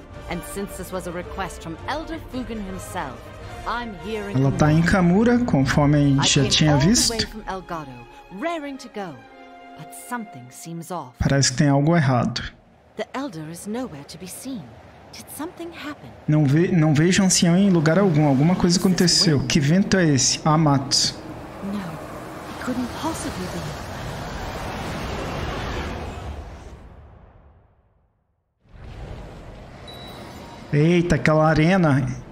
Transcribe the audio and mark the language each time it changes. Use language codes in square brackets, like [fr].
[en] And since this was a request from Elder Fugan himself, I'm here in [pt] Ela tá em Kamura, conforme a gente já tinha visto. [en] From Elgato, raring to go, but something seems off. [pt] Parece que tem algo errado. [en] The Elder is nowhere to be seen. Did something happen? [pt] Não vejo o ancião em lugar algum. Alguma coisa aconteceu. Que vento é esse? Amatsu. [en] No, it couldn't possibly be. [pt] Eita, aquela arena.